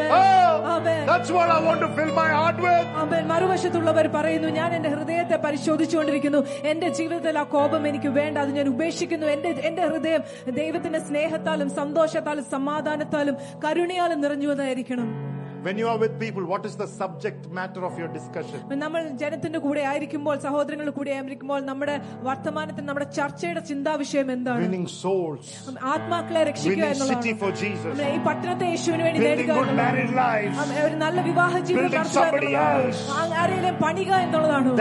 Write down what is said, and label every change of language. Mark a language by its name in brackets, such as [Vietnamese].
[English] Oh, that's what I want to fill my heart with. Amen. [Malayalam] മറുവശത്തുള്ളവർ പറയുന്നു, ഞാൻ എന്റെ ഹൃദയത്തെ പരിശോധിച്ചുകൊണ്ടിരിക്കുന്നു, എന്റെ ജീവിതത്തിൽ ആ കോപം എനിക്ക് വേണ്ട, അത് ഞാൻ ഉപേക്ഷിക്കുന്നു. എന്റെ ഹൃദയം ദൈവത്തിന്റെ സ്നേഹത്താലും സന്തോഷത്താലും സമാധാനത്താലും കരുണയാലും നിറഞ്ഞുവതായിരിക്കണം. [English] When you are with people, what is the subject matter of your discussion? [Malayalam] നമ്മൾ ജനത്തിന്റെ കൂടെ ആയിരിക്കുമ്പോൾ, സഹോദരങ്ങളുടെ കൂടെ ആയിരിക്കുമ്പോൾ, നമ്മുടെ വർത്തമാനത്തിൽ നമ്മുടെ ചർച്ചയുടെ ചിന്താ വിഷയം എന്താണ്? [English] Winning souls. [Malayalam] ആത്മാക്കളെ രക്ഷിക്കുക എന്നുള്ളത്. [English] Winning city for Jesus. [Malayalam] ഈ പട്ടണത്തെ യേശുവിന് വേണ്ടി നേടുക. [English] Building good married lives. [Malayalam] ഒരു നല്ല വിവാഹ ജീവിതം നടത്തുക. ആരെയെങ്കിലും പണിക എന്നുള്ളതാണ്.